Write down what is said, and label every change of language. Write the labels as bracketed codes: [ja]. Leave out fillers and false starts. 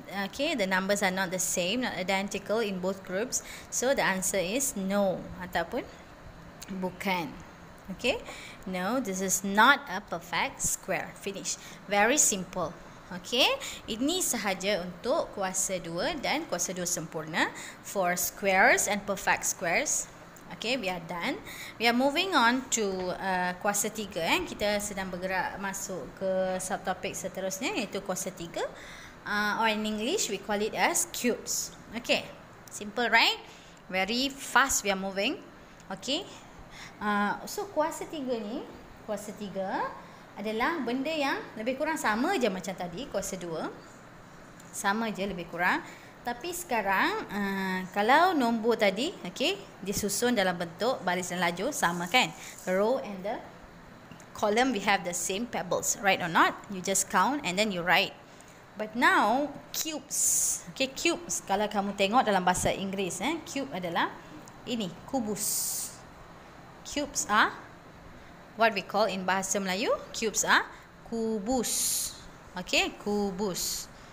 [en] Okey, the numbers are not the same, not identical in both groups. So, the answer is no [ms] ataupun bukan. [en] Okay, no, this is not a perfect square. Finish. Very simple. [ms] Okay, ini sahaja untuk kuasa 2 dan kuasa 2 sempurna. [en] For squares and perfect squares. Okay, we are done. We are moving on to [ms] kuasa 3. Kita sedang bergerak masuk ke subtopik seterusnya, iaitu kuasa 3. [en] Or in English, we call it as cubes. Okay, simple, right? Very fast we are moving. [ms] Okay. So kuasa tiga ni, kuasa tiga adalah benda yang lebih kurang sama je macam tadi, kuasa dua. Sama je lebih kurang. Tapi sekarang, kalau nombor tadi, okay, disusun dalam bentuk baris dan lajur, sama kan? [en] The row and the column, we have the same pebbles, right or not? You just count and then you write. But now, cubes. Okay, cubes. [ms] Kalau kamu tengok dalam bahasa Inggeris, cube adalah ini, kubus. [en] Cubes are what we call in bahasa Melayu. Cubes are kubus. Okay, kubus.